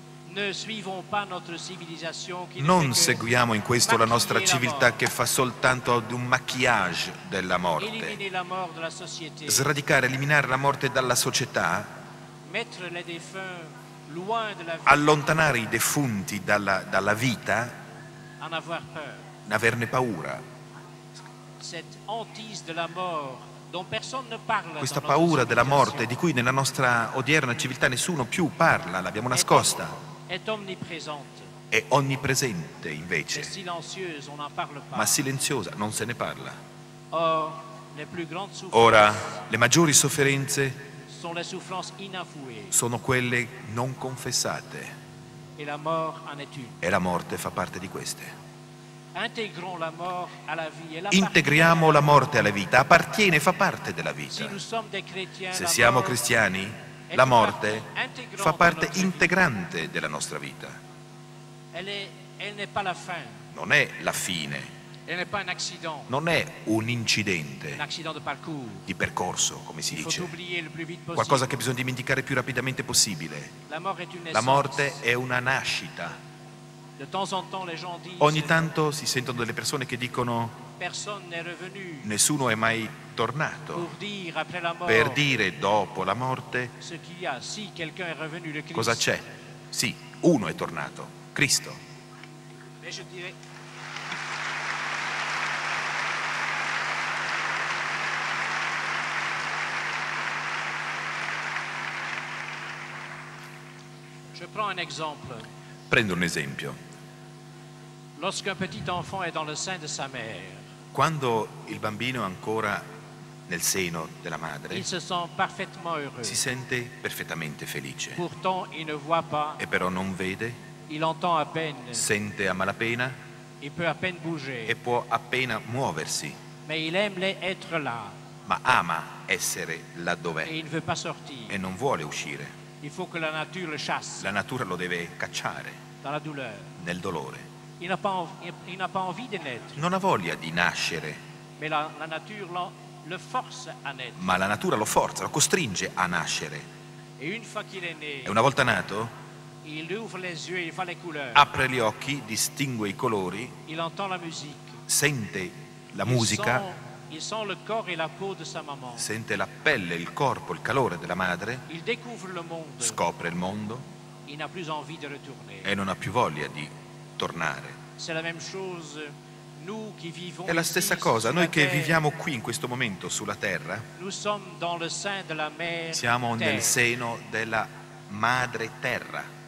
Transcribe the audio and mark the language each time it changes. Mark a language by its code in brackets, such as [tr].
[fr] Ne suivons pas notre civilisation qui [it] non seguiamo in questo la nostra civiltà che fa soltanto ad un maquillage della morte. [fr] Eliminer la mort de la société. [it] Sradicare, eliminare la morte dalla società. [fr] Mettre les défunts loin de la vie. [it] Allontanare i defunti dalla vita. [fr] En avoir peur. [it] N'averne paura. [fr] Cette hantise de la mort dont personne ne parle. [it] Questa paura della morte di cui nella nostra odierna civiltà nessuno più parla, l'abbiamo nascosta. [fr] Est omniprésente. [it] È onnipresente invece. [fr] Est silencieuse, on n'en parle pas. [it] Ma silenziosa, non se ne parla. [fr] Or, les plus grandes souffrances. [it] Ora, le maggiori sofferenze [fr] sont les souffrances inavouées. [it] Sono quelle non confessate. [fr] Et la mort en est une. [it] E la morte fa parte di queste. [fr] Integrons la mort à la vie. Elle [it] integriamo la morte alla vita, appartiene, fa parte della vita. [fr] Si nous sommes des chrétiens, [it] se siamo cristiani, la morte fa parte integrante della nostra vita. [fr] Elle n'est pas la fin. [it] Non è la fine. [fr] Elle n'est pas un accident. [it] Non è un incidente. [fr] Un accident de parcours. [it] Di percorso, come si il dice. [fr] Faut oublier le plus vite possible. [it] Qualcosa che bisogna dimenticare più rapidamente possibile. [fr] La, mort est une [it] la morte è una nascita. [fr] De temps en temps, les gens disent, [it] ogni tanto si sentono delle persone che dicono [fr] personne n'est revenu, [it] nessuno è mai tornato [fr] pour dire, après la mort, [it] per dire dopo la morte [fr] ce qu'il y a, si, quelqu'un est revenu, le Christ. [it] Cosa c'è? Sì, uno è tornato, Cristo. [fr] Mais je dirais, je prends un exemple. [it] Prendo un esempio. [fr] Lorsqu'un petit enfant est dans le sein de sa mère, [it] quando il bambino è ancora nel seno della madre, [fr] il se sent parfaitement heureux, [it] si sente perfettamente felice. [fr] Pourtant, il ne voit pas, [it] e però non vede, [fr] il entend à peine, [it] sente a malapena, [fr] il peut à peine bouger, [it] e può appena muoversi. [fr] Mais il aime être là, [it] ma ama essere laddove [fr] et il ne veut pas sortir, [it] e non vuole uscire. [fr] Il faut que la nature le chasse, [it] la natura lo deve cacciare [fr] dans la douleur, [it] nel dolore. [fr] Il n'a pas envie de naître, [it] non ha voglia di nascere, [fr] mais la nature le force à naître, [it] ma la natura lo forza, lo costringe a nascere. [fr] Et une fois qu'il est né, [it] e una volta nato [fr] il ouvre les yeux, il fa les couleurs, [it] apre gli occhi, distingue i colori, [fr] il entend la musique, [it] sente la musica, [fr] il sent le corps et la peau de sa maman, [it] sente la pelle, il corpo, il calore della madre, [fr] il découvre le monde, [it] scopre il mondo, [fr] il n'a plus envie de retourner, [it] e non ha più voglia di tornare. [fr] C'est la même chose, nous qui vivons, [it] è la stessa [fr] ici, [it] cosa noi che [fr] terre, [it] viviamo qui in questo momento sulla terra, [fr] nous sommes dans le sein de la mère, [it] siamo [fr] terre, [it] nel seno della madre terra,